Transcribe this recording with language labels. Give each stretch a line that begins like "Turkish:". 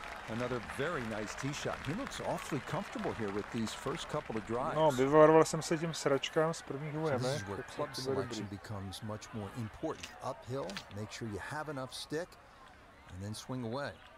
English: Another very nice tee shot. He looks awfully comfortable here with these first couple of drives.
Czech: No, vyvaroval jsem se tím sračkám z prvního jeme.
English: This is where club selection becomes much more important. Uphill, make sure you have enough stick, and then swing away.